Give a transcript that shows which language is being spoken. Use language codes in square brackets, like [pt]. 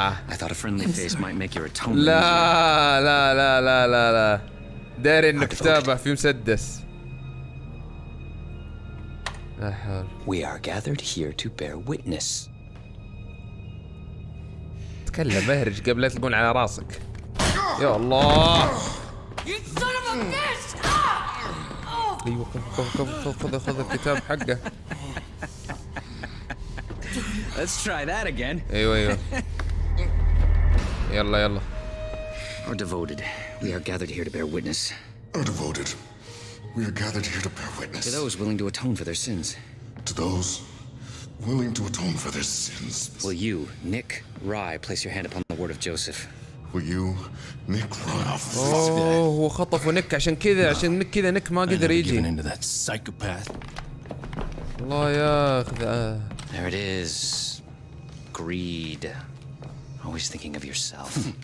[en] I thought a friendly face might make your atonement. [ar] لا لا لا لا لا لا. داري انه كتابه فيه مسدس. [en] We are gathered here to bear witness. [ar] تكلم بهرج قبل لا تلقون على راسك. يا الله. [en] You son of a bitch. [ar] ايوه خذ خذ خذ خذ خذ الكتاب حقه. [en] Let's try that again. [ar] ايوه ايوه. يلا يلا. [en] Our devoted. We are gathered here to bear witness. Our devoted. We are gathered here to bear witness. To those willing to atone for their sins. To those willing to atone for their sins. Will you, Nick Rye, place your hand upon the word of Joseph? Will you, Nick Rye? [ar] Oh, هو خطفوا نيك عشان كذا عشان نيك كذا نيك ما قدر يجي. [en] Given into that psychopath. [ar] الله ياخذ. [en] There it is. greed. Always thinking of yourself.